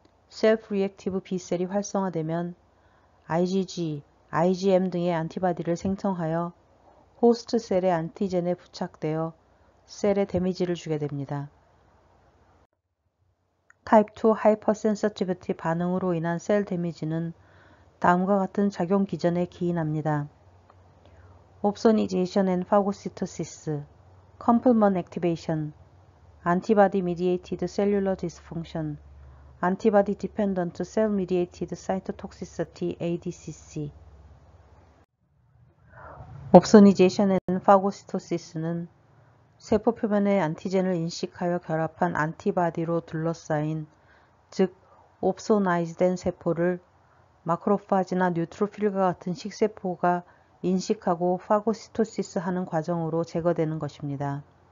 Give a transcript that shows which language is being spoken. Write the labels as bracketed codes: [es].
[ko] Self-reactive B-cell이 활성화되면 IgG, IgM 등의 안티바디를 생성하여 호스트 셀의 안티젠에 부착되어 셀에 데미지를 주게 됩니다. Type 2 Hypersensitivity 반응으로 인한 셀 데미지는 다음과 같은 작용 기전에 기인합니다. [en] Opsonization and phagocytosis, complement activation, antibody mediated cellular dysfunction, antibody dependent cell mediated cytotoxicity, ADCC. [ko] Opsonization and phagocytosis는 세포 표면에 안티젠을 인식하여 결합한 안티바디로 둘러싸인, 즉, opsonized 된 세포를 마크로파지나 뉴트로필과 같은 식세포가 인식하고 파고시토시스 하는 과정으로 제거되는 것입니다.